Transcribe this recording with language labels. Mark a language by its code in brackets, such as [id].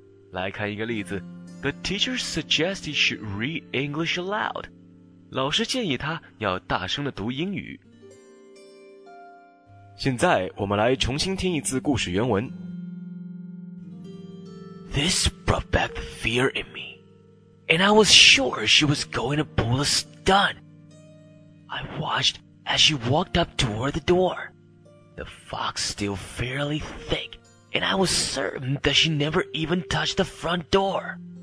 [zh] 来看一个例子， [en] The teacher suggests he should read English aloud. [zh] 老师建议他要大声地读英语。现在我们来重新听一次故事原文。 [en] This brought back the fear in me, and I was sure she was going to pull a stunt. I watched as she walked up toward the door. The fog still fairly thick. And I was certain that she never even touched the front door.